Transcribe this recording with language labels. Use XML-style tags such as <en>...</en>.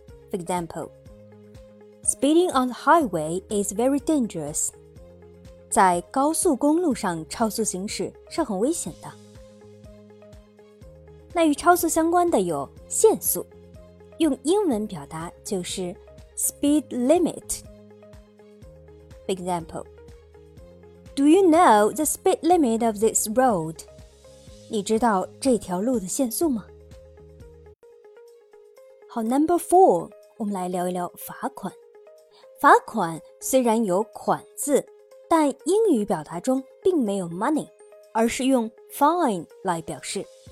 <en>For example, speeding on the highway is very dangerous.</en> <zh>在高速公路上超速行驶是很危险的。那与超速相关的有限速，用英文表达就是 speed limit.</zh> <en>For example,Do you know the speed limit of this road?</en> <zh>你知道这条路的限速吗？好 ,</zh> <en>Number four,</en> <zh>我们来聊一聊罚款。罚款虽然有款字，但英语表达中并没有 money, 而是用 fine 来表示。</zh>